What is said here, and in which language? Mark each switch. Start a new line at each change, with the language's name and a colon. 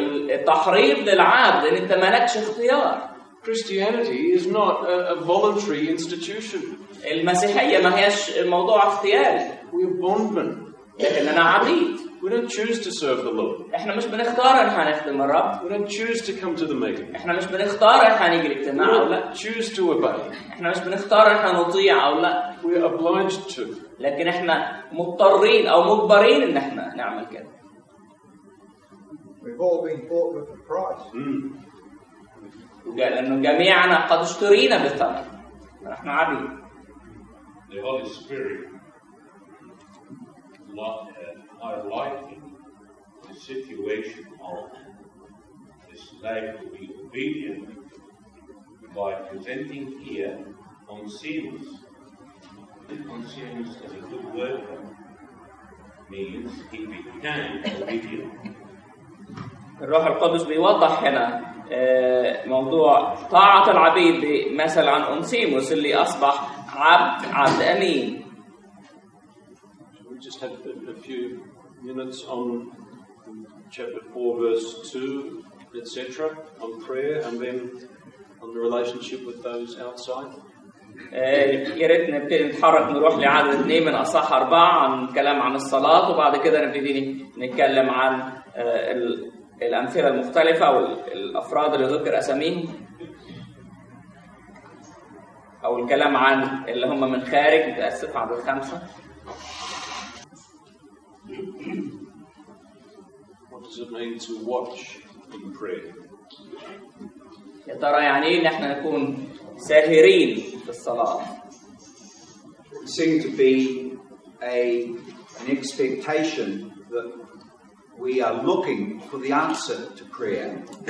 Arabic: التحريض للعبد ان انت مالكش اختيار.
English: Christianity is not a voluntary institution.
Arabic: المسيحية ما هيش موضوع اختياري.
English: We're bondmen.
Arabic: لكننا عبيد.
English: We don't choose to serve the Lord.
Arabic: احنا مش بنختار ان هنخدم الرب.
English: We don't choose to come to the meeting.
Arabic: احنا مش بنختار ان هنيجي الاجتماع او لا.
English: Choose to obey.
Arabic: احنا مش بنختار ان هنطيع او لا.
English: We're obliged to.
Arabic: لكن احنا مضطرين او مجبرين ان احنا نعمل كده.
English: We've all been bought with a price.
Arabic: وقال إنه جميعنا قد اشترينا بالثمن. نحن عبيد.
English: The Holy Spirit, our life in the situation of the slave to be obedient by presenting here on Onesimus. Onesimus as a good worker means he became obedient.
Arabic: الروح القدس بيوضح هنا موضوع طاعة العبيد بمثل عن أنسيموس اللي أصبح عبد أمين.
English: We just have a few minutes on chapter 4 verse 2 etc. on prayer and then on the relationship with those outside.
Arabic: يا ريت نبتدي نتحرك نروح لعدد 2 من أصحاح 4 عن كلام عن الصلاة وبعد كده نبتدي نتكلم عن الأمثلة المختلفة والأفراد اللي ذكر أساميهم أو الكلام عن اللي هم من خارج متأسف عدد 5.
English: What does it mean to watch in prayer?
Arabic: يا ترى يعني إيه إن إحنا نكون ساهرين في الصلاة؟
English: It seems to be an expectation that we are looking for the answer to prayer.